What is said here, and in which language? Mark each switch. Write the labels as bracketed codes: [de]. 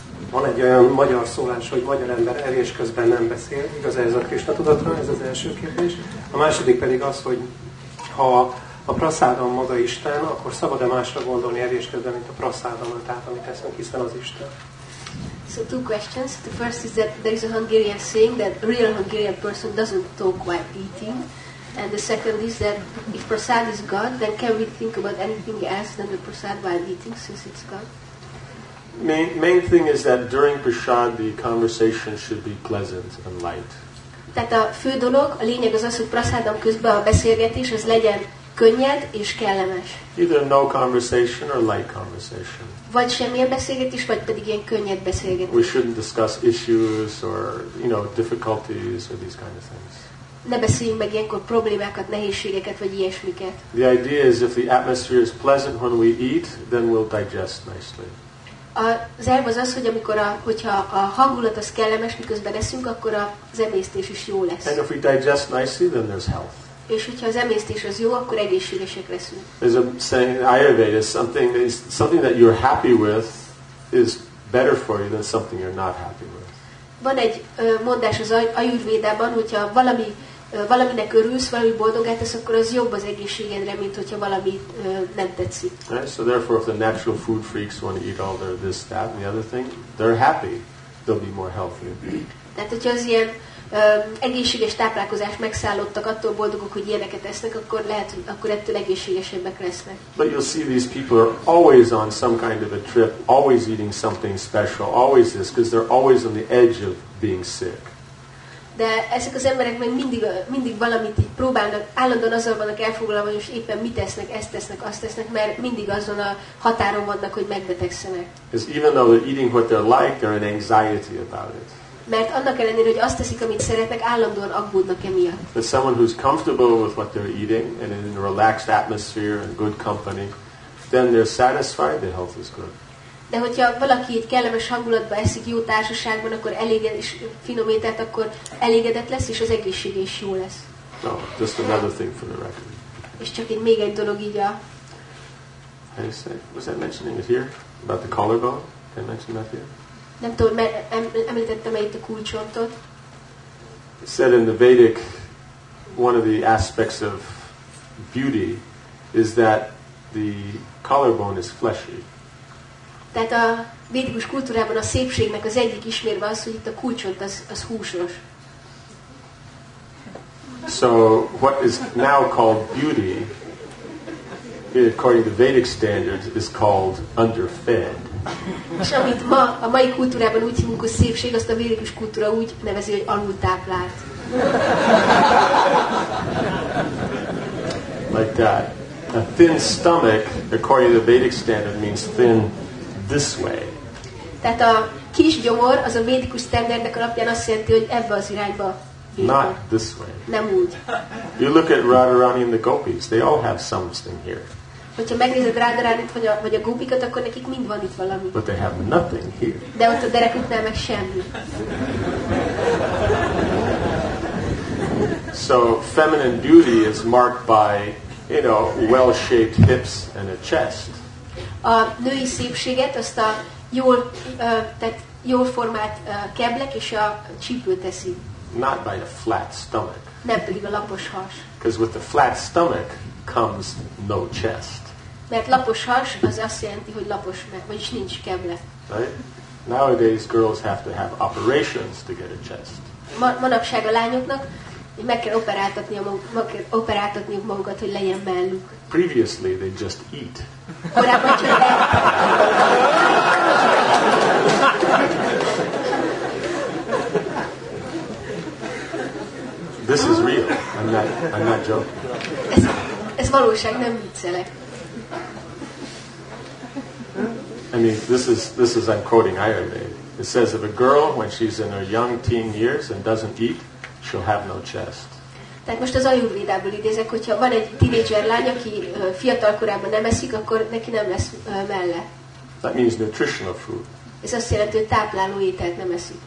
[hu] Van egy olyan magyar szólás, hogy magyar ember evés közben nem beszél, igaz ez a Krisna tudatra, ez az első kérdés. A második pedig az, hogy ha a praszádam maga Isten, akkor szabad-e másra gondolni evés közben, mint a praszádam, tehát amit eszünk, hiszen az Isten. [en] So two questions. The first is that there is a Hungarian saying that a real Hungarian person doesn't talk while eating. And the second is that if prasad is God, then can we think about anything else than the prasad while eating, since it's God? Main thing is that during prasad, the conversation should be pleasant and light. [hu] Tehát a fő dolog, a lényeg az, hogy prasadam közben a beszélgetés az legyen könnyed és kellemes. [en] Either no conversation or light conversation. [hu] Vagy semmilyen beszélgetés, vagy pedig ilyen könnyed beszélgetés. [en] We shouldn't discuss issues or, you know, difficulties or these kind of things. [hu] Ne beszéljünk meg ilyenkor problémákat, nehézségeket, vagy ilyesmiket. [en] The idea is if the atmosphere is pleasant when we eat, then we'll digest nicely. [hu] Az elv az, hogy amikor hogyha a hangulat az kellemes, miközben eszünk, akkor az emésztés is jó lesz. [en] And if we digest nicely, then there's health. [hu] És hogyha az emésztés az jó, akkor egészségesek leszünk. [en] There's a saying in Ayurveda, something that you're happy with is better for you than something you're not happy with. [hu] Van egy mondás az Ajurvédában, hogyha valaminek örülsz, valami boldogát tesz, akkor az jobb az egészségedre, mint hogyha valami nem tetszik. [en] Right, so therefore if the natural food freaks want to eat all their this, that and the other thing, they're happy, they'll be more healthy. [hu] Tehát hogyha az ilyen egészséges táplálkozást megszállottak, attól boldogok, hogy ilyeneket esznek, akkor lehet, akkor ettől egészségesebbek lesznek. [en] But you'll see these people are always on some kind of a trip, always eating something special, always this, because they're always on the edge of being sick. [hu] De ezek az emberek meg mindig valamit így próbálnak, állandóan azzal vannak elfoglalva, hogy most éppen mit tesznek, ezt tesznek, azt tesznek, mert mindig azon a határon vannak, hogy megbetegszenek. [en] Because even though they're eating what they like, they're in anxiety about it. [hu] Mert annak ellenére, hogy azt teszik, amit szeretnek, állandóan aggódnak emiatt. [en] But someone who's comfortable with what they're eating and in a relaxed atmosphere and good company, then they're satisfied, their health is good. [hu] De hogyha valaki egy kellemes hangulatban eszik, jó társaságban, akkor elégedett és finom ételt, akkor elégedett lesz, és az egészség is jó lesz. [en] No, just another thing for the record. [hu] És csak egy még egy dolog így a... [en] How do you say? Was that mentioning it here? About the collarbone? Did I mention that here? [hu] Nem tudom, mert említettem-e itt a kulcsontot. [en] It said in the Vedic, one of the aspects of beauty is that the collarbone is fleshy. [hu] Tehát a védikus kultúrában a szépségnek az egyik ismérve az, hogy itt a kulcsont az húsos. [en] So what is now called beauty, according to Vedic standards, is called underfed. [hu] És amit ma a mai kultúrában úgy hívunk, hogy szépség, azt a védikus kultúra úgy nevezi, hogy alultáplált. [en] Like that. A thin stomach, according to Vedic standard, means thin. This way. [hu] Tehát a kis gyomor az a védikus standardnek alapján azt jelenti, hogy ebbe az irányba. [en] Not this way. [hu] Nem úgy. [en] You look at Radharani and the gopis. They all have something here. [hu] Hogyha megnézed Radharanit vagy a gopikat, akkor nekik mind van itt valami. [en] But they have nothing here. [hu] De ott a dereküknél meg semmi. [en] So feminine beauty is marked by, you know, well-shaped hips and a chest. [hu] A női szépséget azt a jól, tehát jól formált keblek és a csípő teszi. [en] Not by a flat stomach. [hu] Nem pedig a lapos has. [en] Because with the flat stomach comes no chest. [hu] Mert lapos has az azt jelenti, hogy lapos, vagyis nincs keble. [en] Right? Nowadays girls have to have operations to get a chest. [hu] Manapság a lányoknak meg kell operáltatni magukat, hogy legyen melluk. [en] Previously they just eat. This is real. I'm not joking. [hu] Ez valóság, nem viccelek. [en] I mean, this is I'm quoting Ayurveda. It says if a girl when she's in her young teen years and doesn't eat, she'll have no chest. [hu] Tehát most az Ayurvédából idézek, hogyha van egy tínédzser lány, aki fiatal korában nem eszik, akkor neki nem lesz melle. [en] That means nutritional food. [hu] Ez azt jelenti, hogy tápláló ételt nem eszik.